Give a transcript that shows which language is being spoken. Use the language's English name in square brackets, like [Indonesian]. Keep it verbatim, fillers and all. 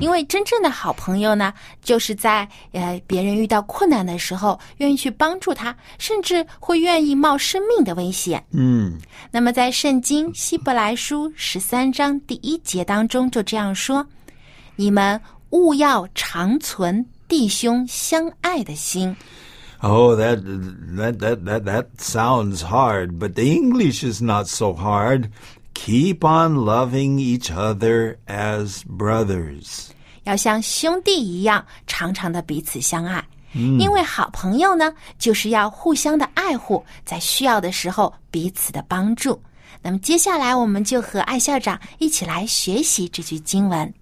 [Chinese] 因为真正的好朋友呢，就是在呃别人遇到困难的时候，愿意去帮助他，甚至会愿意冒生命的危险。嗯，那么在圣经希伯来书十三章第一节当中就这样说：“你们勿要常存弟兄相爱的心。” [English] Oh, that, that, that, that, that sounds hard, but the English is not so hard. Keep on loving each other as brothers. [Chinese] 要像兄弟一样，常常的彼此相爱。嗯，因为好朋友呢，就是要互相的爱护，在需要的时候彼此的帮助。那么接下来我们就和艾校长一起来学习这句经文。